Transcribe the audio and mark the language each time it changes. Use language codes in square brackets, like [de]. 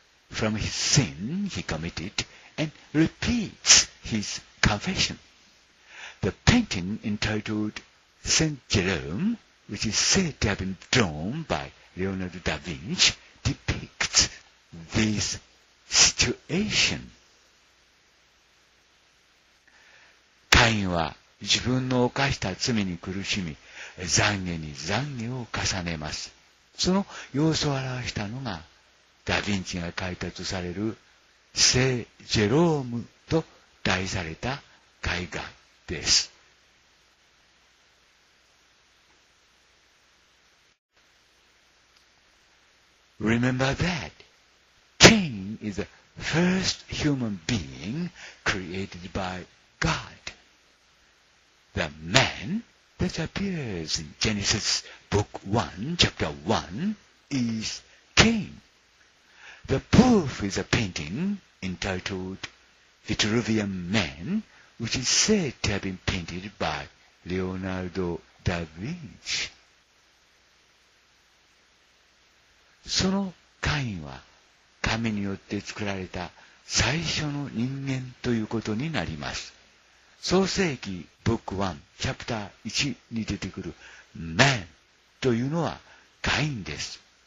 [en] From his sin he committed and repeats his confession. The painting entitled Saint Jerome, which is said to have been drawn by Leonardo da Vinci, depicts this situation. [ja] カインは自分の犯した罪に苦しみ、懺悔に懺悔を重ねます。その様子を表したのがダ・ヴィンチが書いたとされる聖ジェロームと題された絵画です。 [en] Remember that Cain is the first human being created by God. The man that appears in Genesis book 1 chapter 1 is CainThe proof is a painting entitled Vitruvian Man, which is said to have been painted by Leonardo da Vinci. [ja] そのカインは神によって作られた最初の人間ということになります。創世記 [en] book 1 chapter 1 [ja] に出てくる Man というのはカインです。